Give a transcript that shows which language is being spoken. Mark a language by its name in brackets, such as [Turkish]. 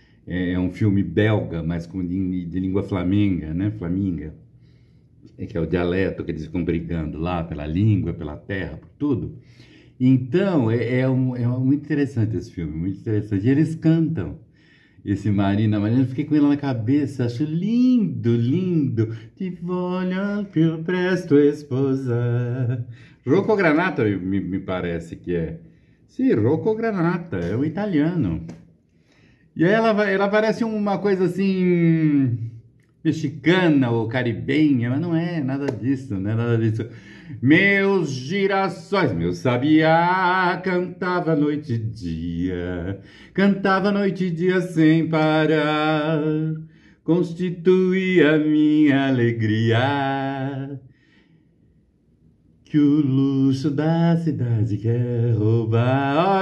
[Portuguese] É um filme belga, mas de língua flamenga, né? Flaminga. É que é o dialeto que eles ficam brigando lá pela língua, pela terra, por tudo. Então, é muito interessante esse filme, muito interessante. E eles cantam. Esse Marina, eu fiquei com ela na cabeça, acho lindo, lindo. [Italian] Ti voglio al più presto sposar. [Portuguese] Rocco Granata, me parece que é. Sim, Rocco Granata, é um italiano. E aí ela parece uma coisa assim, mexicana ou caribenha, mas não é, nada disso, né? Nada disso. Meus girassóis, meu sabiá, cantava noite e dia, cantava noite e dia sem parar, constituía minha alegria, que o luxo da cidade quer roubar.